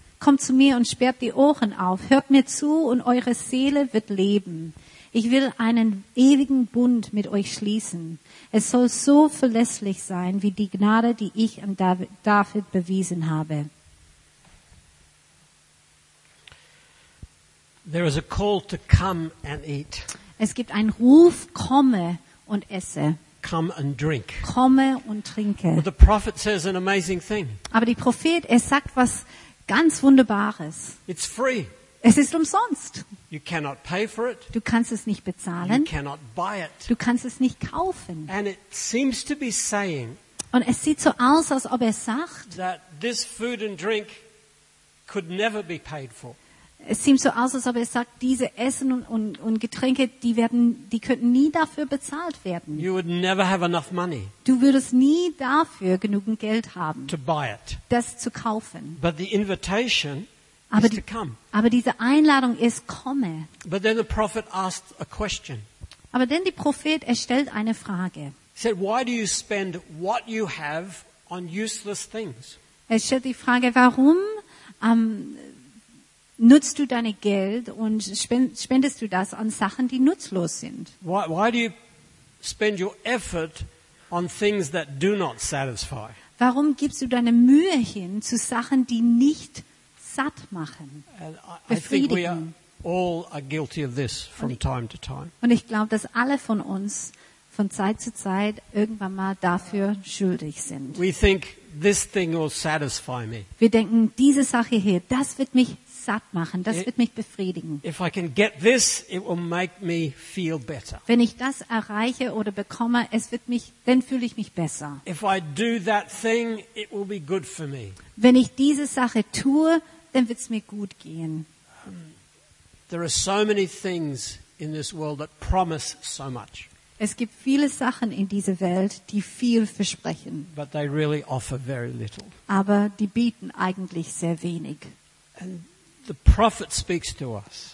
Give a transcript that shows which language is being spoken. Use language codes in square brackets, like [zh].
[de] Kommt zu mir und sperrt die Ohren auf. Hört mir zu und eure Seele wird leben. Ich will einen ewigen Bund mit euch schließen. Es soll so verlässlich sein wie die Gnade, die ich an David bewiesen habe. [en] There is a call to come and eat. [de] Es gibt einen Ruf, komme und esse. [en] Come and drink. [de] Komme und trinke. [en] But the prophet says an amazing thing. [de] Aber der Prophet, er sagt was ganz Wunderbares. [en] It's free. [de] Es ist umsonst. [en] You cannot pay for it. [de] Du kannst es nicht bezahlen. [en] You cannot buy it. [de] Du kannst es nicht kaufen. [en] And it seems to be saying, [de] und es sieht so aus, als ob er sagt, [en] that this food and drink could never be paid for. [de] Es sieht so aus, als ob er sagt, diese Essen und Getränke, die könnten nie dafür bezahlt werden. [en] You would never have enough money. [de] Du würdest nie dafür genug Geld haben, [en] to buy it. [de] Das zu kaufen. [en] But the invitation, [de] aber diese Einladung ist, komme. [en] But then the prophet asked a question. [de] Aber dann der Prophet, er stellt eine Frage. [en] He said, why do you spend what you have on useless things? [de] Er stellt die Frage, warum nutzt du dein Geld und spendest du das an Sachen, die nutzlos sind? [en] Why do you spend your effort on things that do not satisfy? [de] Warum gibst du deine Mühe hin zu Sachen, die nicht satt machen, befriedigen. [en] I think we all are guilty of this from time to time. [de] Und ich glaube, dass alle von uns von Zeit zu Zeit irgendwann mal dafür schuldig sind. [en] We think this thing will satisfy me. [de] Wir denken, diese Sache hier, das wird mich satt machen, das wird mich befriedigen. [en] If I can get this, it will make me feel better. [de] Wenn ich das erreiche oder bekomme, es wird mich, dann fühle ich mich besser. [en] If I do that thing, it will be good for me. [de] Wenn ich diese Sache tue, dann wird es mir gut gehen. [en] There are so many things in this world that promise so much. [de] Es gibt viele Sachen in dieser Welt, die viel versprechen. [en] But they really offer very little. [de] Aber die bieten eigentlich sehr wenig. [en] And the prophet speaks to us.